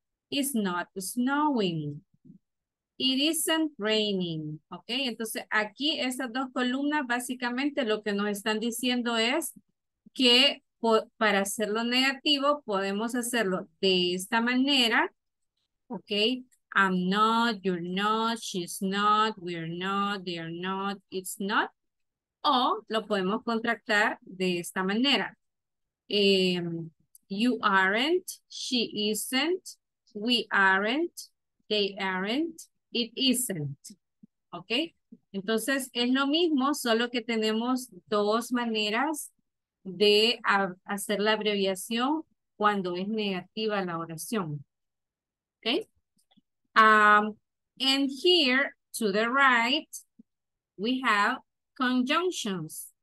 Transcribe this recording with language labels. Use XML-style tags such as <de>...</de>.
<en>It's not snowing. It isn't raining, ¿ok?</en> <es>Entonces, aquí estas dos columnas básicamente lo que nos están diciendo es que para hacerlo negativo podemos hacerlo de esta manera, ¿ok?</es> <en>I'm not, you're not, she's not, we're not, they're not, it's not.</en> <es>O lo podemos contractar de esta manera.</es> <en>You aren't, she isn't, we aren't, they aren't. It isn't, ¿ok?</en> <es>Entonces, es lo mismo, solo que tenemos dos maneras de hacer la abreviación cuando es negativa la oración, ¿ok?</es> <en>And here, to the right, we have conjunctions.</en>